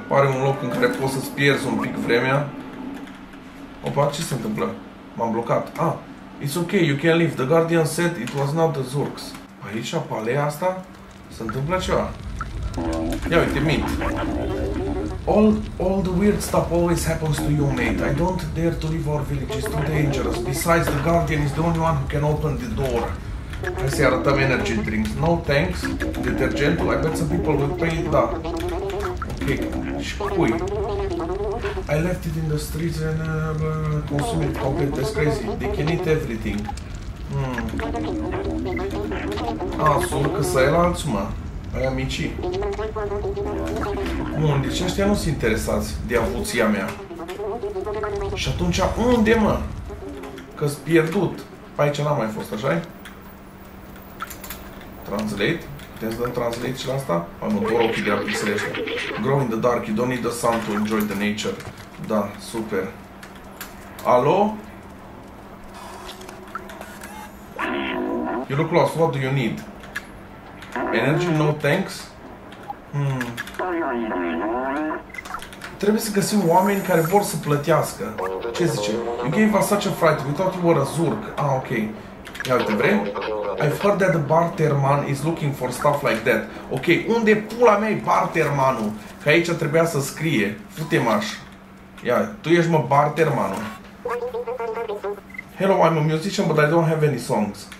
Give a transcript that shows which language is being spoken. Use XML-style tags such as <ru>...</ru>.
<ro>Pare un loc în care poți să-ți pierzi un pic vremea. Opa, ce se întâmplă? M-am blocat.</ro> <en>Ah, it's okay, you can leave. The guardian said it was not the Zurks.</en> <ro>Aici, pe aleea asta, se întâmplă ceva. Ia uite, mint.</ro> <en>All the weird stuff always happens to you, mate. I don't dare to leave our village. It's too dangerous. Besides, the guardian is the only one who can open the door.</en> <ro>Hai să-i arătăm energy drinks.</ro> <en>No thanks. Detergentul. I bet some people will pay it. Da. Ok.</en> <ro>Și cui?</ro> <en>I left it in the streets and consume it complete. That's crazy. They can eat everything.</en> <ro>Ah, surcă să-i lanți, mă. Aia micii. Bun, deci ăștia nu sunt interesați de avuția mea. Și atunci unde, mă? Că-s pierdut. Pe aici n-am mai fost, așa-i? Translate. Puteți să dăm translate și la asta? Am doar ochii de la pixele ăștia.</ro> <en>Grow in the dark, you don't need the sun to enjoy the nature.</en> <ro>Da, super. Alo?</ro> <en>You look lost, what do you need? Energy, no thanks?</en> <ro>Trebuie să găsim oameni care vor să plătească. Ce zice?</ro> <en>You gave us such a fright, we thought you were a zurg.</en> <ro>Ah, ok. Ia uite, vrei?</ro> <en>I've heard that the barterman is looking for stuff like that.</en> <ro>Ok, unde pula mea e bartermanul? Că aici trebuia să scrie. Fute-maș. Ia, tu ești, mă, bartermanul.</ro> <en>Hello, I'm a musician, but I don't have any songs.</en>